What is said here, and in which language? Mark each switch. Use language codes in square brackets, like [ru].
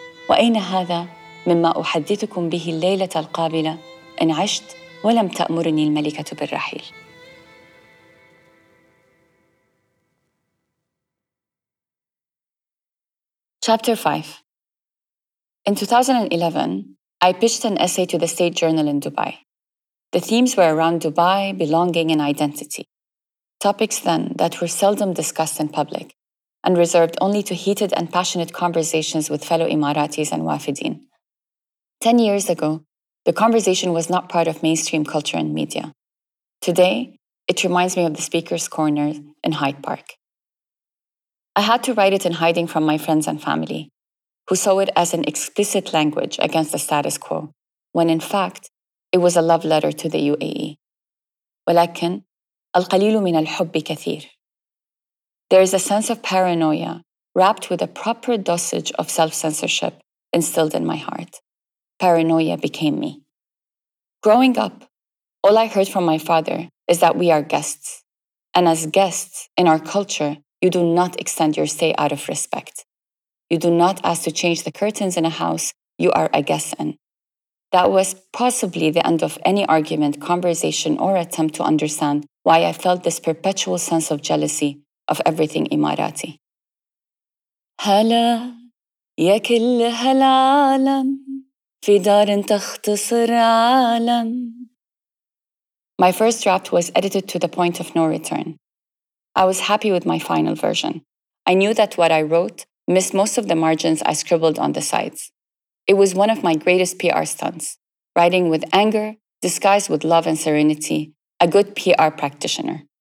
[ar] وأين هذا مما أحدثكم به الليلة القابلة إن عشت ولم تأمرني الملكة بالرحيل؟ [en] Chapter 5. In 2011, I pitched an essay to the State Journal in Dubai. The themes were around Dubai, belonging, and identity. Topics then that were seldom discussed in public and reserved only to heated and passionate conversations with fellow Emiratis and Wafideen. 10 years ago, the conversation was not part of mainstream culture and media. Today, it reminds me of the Speaker's Corner in Hyde Park. I had to write it in hiding from my friends and family, who saw it as an explicit language against the status quo, when in fact, it was a love letter to the UAE. [ar] ولكن القليل من الحب كثير. [en] There is a sense of paranoia wrapped with a proper dosage of self-censorship instilled in my heart. Paranoia became me. Growing up, all I heard from my father is that we are guests. And as guests in our culture, you do not extend your stay out of respect. You do not ask to change the curtains in a house you are a guest in. That was possibly the end of any argument, conversation, or attempt to understand why I felt this perpetual sense of jealousy of everything Emirati. [ar] هلا يا كل هالعالم في دار تختصر عالم. [en] My first draft was edited to the point of no return. I was happy with my final version. I knew that what I wrote missed most of the margins I scribbled on the sides. It was one of my greatest PR stunts, writing with anger, disguised with love and serenity, a good PR practitioner.